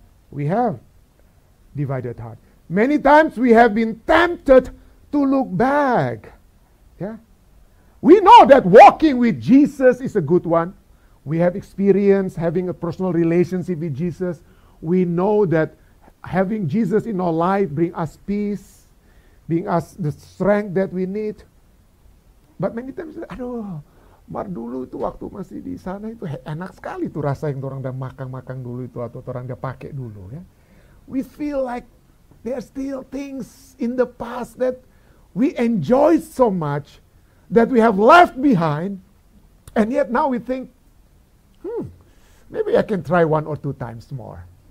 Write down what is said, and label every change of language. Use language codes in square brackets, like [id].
[en] We have divided heart. Many times, we have been tempted to look back. Yeah. We know that walking with Jesus is a good one. We have experience having a personal relationship with Jesus. We know that having Jesus in our life brings us peace, bring us the strength that we need. But many times, [id] aduh, mar dulu itu waktu masih di sana itu enak sekali tuh rasa yang orang udah makan-makan dulu itu atau orang udah pakai dulu, ya. [en] We feel like there are still things in the past that we enjoy so much that we have left behind, and yet now we think, maybe I can try one or two times more.